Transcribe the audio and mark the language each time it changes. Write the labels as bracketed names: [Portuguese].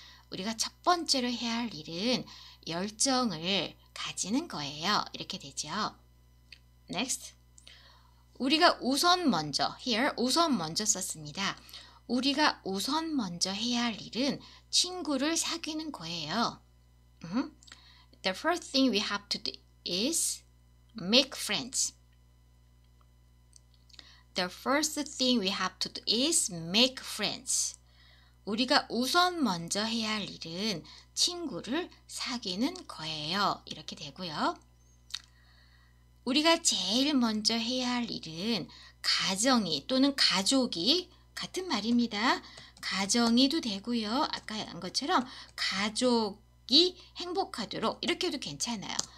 [Korean] 우리가 첫 번째로 해야 할 일은 열정을 가지는 거예요. 이렇게 되죠. Next. 우리가 우선 먼저, here 우선 먼저 썼습니다. 우리가 우선 먼저 해야 할 일은 친구를 사귀는 거예요. [English] The first thing we have to do is make friends. The first thing we have to do is make friends. [Korean] 우리가 우선 먼저 해야 할 일은 친구를 사귀는 거예요. 이렇게 되고요. 우리가 제일 먼저 해야 할 일은 가정이 또는 가족이 같은 말입니다. 가정이도 되고요. 아까 한 것처럼 가족이 행복하도록 이렇게도 괜찮아요.